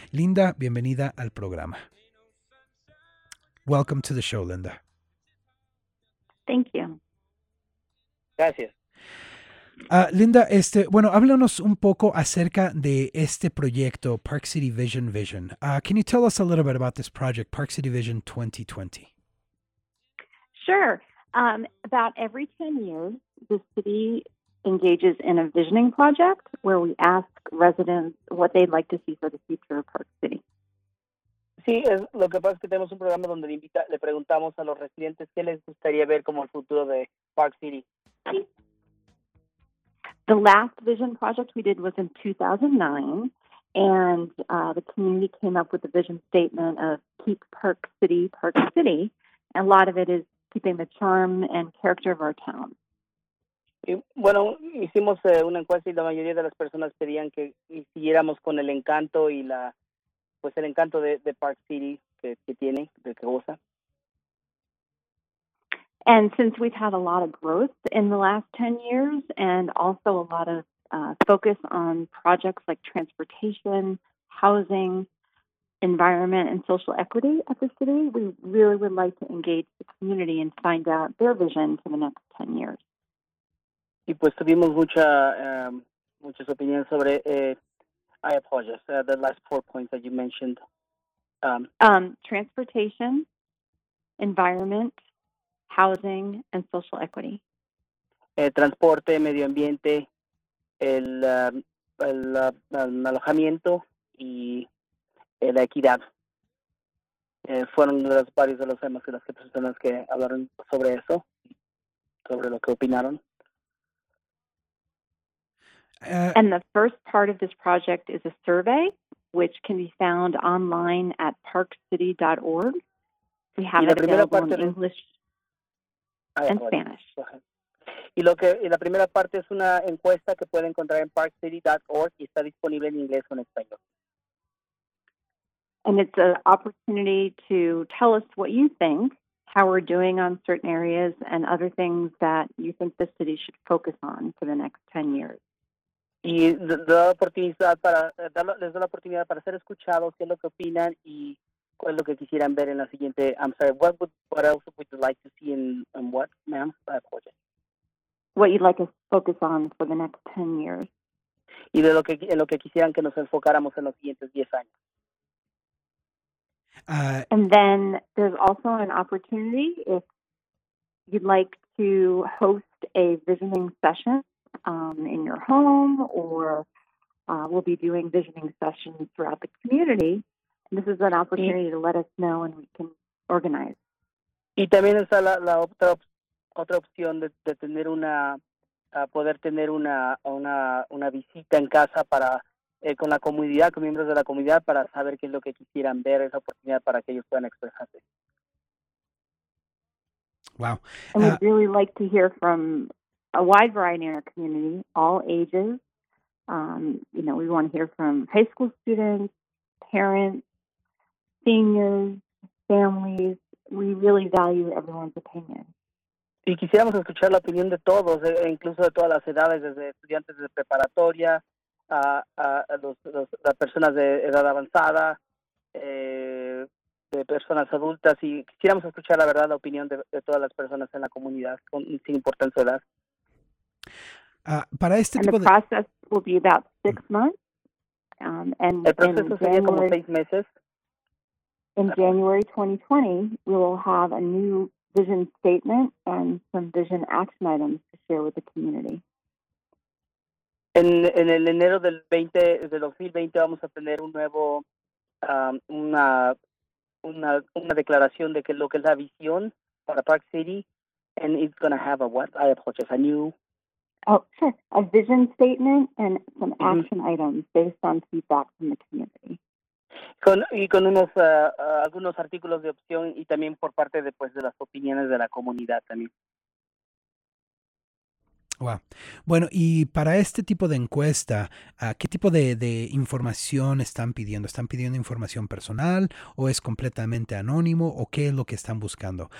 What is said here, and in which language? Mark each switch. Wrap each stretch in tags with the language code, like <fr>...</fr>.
<es>Linda, bienvenida al programa.</es> <en>Welcome to the show, Linda. Thank you.</en> <es>Gracias. Linda, háblanos un poco acerca de este proyecto, Park City Vision Vision.</es> <en>Can you tell us a little bit about this project, Park City Vision 2020? Sure. About every 10 years, the city engages in a visioning project where we ask residents what they'd like to see for the future of Park City.</en> <es>Sí, lo que pasa es que tenemos un programa donde le preguntamos a los residentes qué les gustaría ver como el futuro de Park City.</es> <en>The last vision project we did was in 2009, and the community came up with a vision statement of Keep Park City, Park City, and a lot of it is keeping the charm and character of our town.</en> <es>Y, bueno, hicimos una encuesta y la mayoría de las personas pedían que siguiéramos con el encanto y la... pues el encanto de Park City que tiene, de que goza.</es> <en>And since we've had a lot of growth in the last 10 years and also a lot of focus on projects like transportation, housing, environment, and social equity at the city, we really would like to engage the community and find out their vision for the next 10 years.</en> <es>Y pues tuvimos muchas opiniones sobre...</es> <en>I apologize. The last 4 points that you mentioned. Transportation, environment, housing, and social equity.</en> <es>Transporte, medio ambiente, el alojamiento y la equidad. Fueron las varias de los temas que las personas que hablaron sobre eso, sobre lo que opinaron.</es> <en>And the first part of this project is a survey, which can be found online at parkcity.org. We have it available in English and Spanish.</en> <es>Y la primera parte es una encuesta que puede encontrar en parkcity.org y está disponible en inglés o en español.</es> <en>And it's an opportunity to tell us what you think, how we're doing on certain areas, and other things that you think the city should focus on for the next 10 years.</en> <es>Y les da la oportunidad para ser escuchados, qué es lo que opinan y cuál es lo que quisieran ver en la siguiente.</es> <en>I'm sorry, what else would you like to see in what, ma'am? I apologize. What you'd like to focus on for the next 10 years.</en> <es>Y de lo que quisieran que nos enfocáramos en los siguientes 10 años.</es> <en>And then there's also an opportunity if you'd like to host a visioning session. In your home, or we'll be doing visioning sessions throughout the community. And this is an opportunity to let us know, and we can organize.</en> <es>Y también está la otra opción de tener una poder tener una visita en casa para con la comunidad, con miembros de la comunidad, para saber qué es lo que quisieran ver, esa oportunidad para que ellos puedan expresarse.</es> <en>Wow. And we'd really like to hear from a wide variety in our community, all ages. We want to hear from high school students, parents, seniors, families. We really value everyone's opinion.</en> <es>Y quisiéramos escuchar la opinión de todos, incluso de todas las edades, desde estudiantes de preparatoria, a las personas de edad avanzada, de personas adultas. Y quisiéramos escuchar la verdad, la opinión de todas las personas en la comunidad, sin importar su edad. Para este</es> <en>and</en> <es>tipo</es> <en>the process</en> <es>de...</es> <en>will be about 6 months.</en> <es>El proceso sería como 6 meses.</es> <en>In January 2020, we will have a new vision statement and some vision action items to share with the community.</en> <es>En el enero del 2020 vamos a tener un nuevo, una, una declaración de que lo que es la visión para Park City,</es> <en>and it's going to have a what? I apologize, a new... Oh, sure. A vision statement and some action items based on feedback from the community.</en> <es>Con unos algunos artículos de opción y también por parte de, pues, de las opiniones de la comunidad también.</es> <en>Wow.</en> <es>Bueno, y para este tipo de encuesta, ¿qué tipo de información están pidiendo? ¿Están pidiendo información personal o es completamente anónimo o qué es lo que están buscando?</es>